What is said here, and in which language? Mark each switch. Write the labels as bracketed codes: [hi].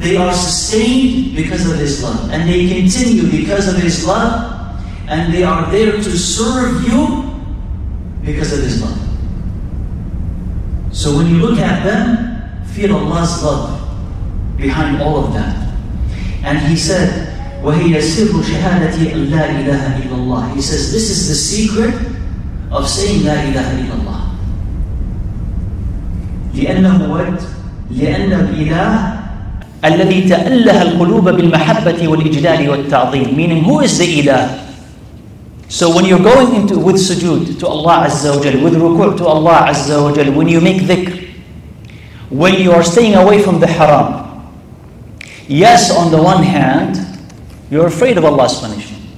[en] They are sustained because of His love, and they continue because of His love, and they are there to serve you because of His love. So when you look at them, feel Allah's love behind all of that. And he said, [ar] وَهِيَ سِرُّ شَهَادَةِ لَا إِلَهَ إِلَّا اللَّهِ. [en] He says, this is the secret of saying [ar] لا إله إلا الله. لأنه ود لأن الإله الذي تأله القلوب بالمحبة والإجلال والتعظيم. [en] Meaning, who is the إله? So when you're going into with sujood to Allah Azza wa Jal, with ruku' to Allah Azza wa Jal, when you make dhikr, when you are staying away from the haram, yes, on the one hand, you're afraid of Allah's punishment.